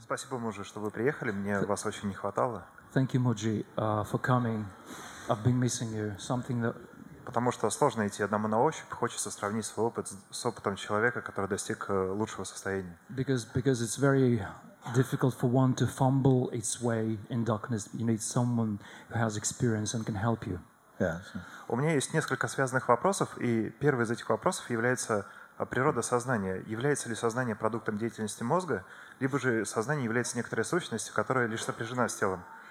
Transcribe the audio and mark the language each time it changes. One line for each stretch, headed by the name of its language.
Russian: Спасибо, мужи, что вы приехали. Мне вас очень не хватало.
English: Thank you, Moji, for coming. I've been missing you. Something that...
Russian: Потому что сложно идти одному на ощупь. Хочется сравнить свой опыт с опытом человека, который достиг лучшего состояния.
English: Because it's very difficult for one to fumble its way in darkness. You need someone who has experience and can help you.
Russian: У меня есть несколько связанных вопросов, и первый из этих вопросов является природа сознания. Является ли сознание продуктом деятельности мозга, либо же сознание является некоторой сущностью, которая лишь сопряжена с телом?